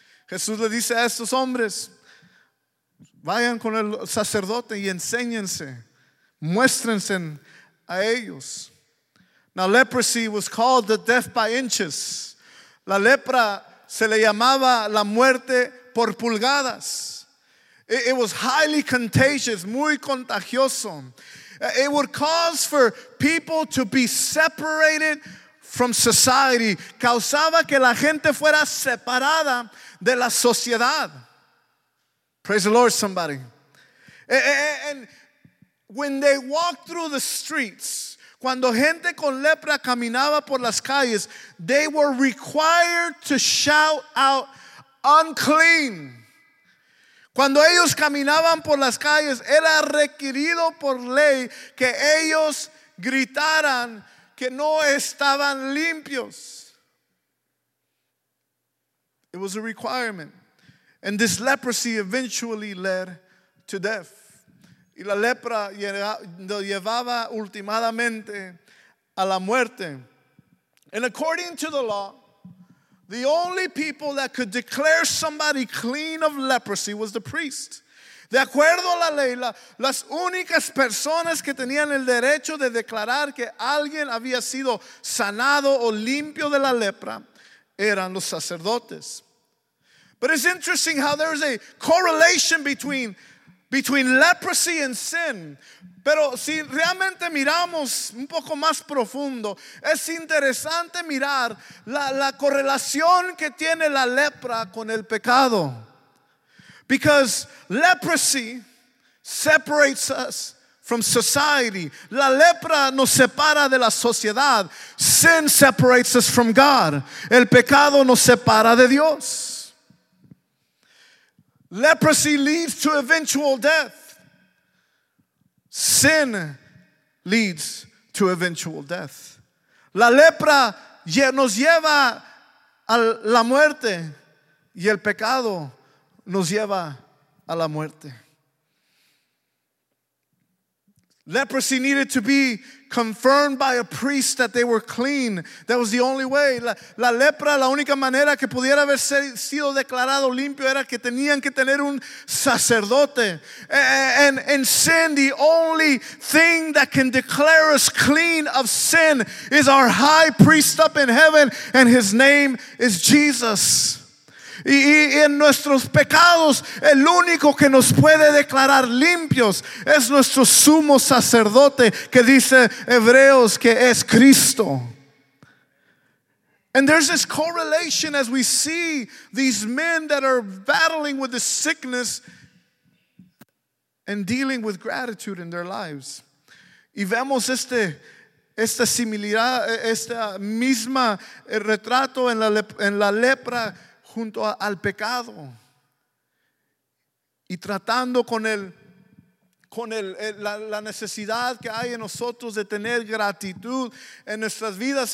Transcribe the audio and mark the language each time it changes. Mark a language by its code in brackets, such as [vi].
[es] Jesús le dice a estos hombres, vayan con el sacerdote y enséñense, muéstrense a ellos. [en] Now leprosy was called the death by inches. [es] La lepra se le llamaba la muerte por pulgadas. [en] It was highly contagious, [es] muy contagioso. [en] It would cause for people to be separated from society. [es] Causaba que la gente fuera separada de la sociedad. [en] Praise the Lord, somebody. And when they walked through the streets, [es] cuando gente con lepra caminaba por las calles, [en] they were required to shout out, unclean. [es] Cuando ellos caminaban por las calles, era requerido por ley que ellos gritaran que no estaban limpios. [en] It was a requirement. And this leprosy eventually led to death. [es] Y la lepra lo llevaba ultimadamente a la muerte. [en] And according to the law, the only people that could declare somebody clean of leprosy was the priest. [es] De acuerdo a la ley, las únicas personas que tenían el derecho de declarar que alguien había sido sanado o limpio de la lepra eran los sacerdotes. [en] But it's interesting how there is a correlation between leprosy and sin. [es] Pero si realmente miramos un poco más profundo, es interesante mirar la correlación que tiene la lepra con el pecado. [en] Because leprosy separates us from society. [es] La lepra nos separa de la sociedad. [en] Sin separates us from God. [es] El pecado nos separa de Dios. [en] Leprosy leads to eventual death. Sin leads to eventual death. [es] La lepra nos lleva a la muerte. Y el pecado nos lleva a la muerte. [en] Leprosy needed to be confirmed by a priest that they were clean. That was the only way. [es] La lepra, la única manera que pudiera haber sido declarado limpio era que tenían que tener un sacerdote. [en] And sin, the only thing that can declare us clean of sin is our high priest up in heaven, and his name is Jesus. [es] Y en nuestros pecados, el único que nos puede declarar limpios es nuestro sumo sacerdote, que dice Hebreos que es Cristo. [en] And there's this correlation as we see these men that are battling with the sickness and dealing with gratitude in their lives. [es] Y vemos esta similaridad, esta misma retrato en la lepra junto al pecado y tratando con la necesidad que hay en nosotros de tener gratitud en nuestras vidas.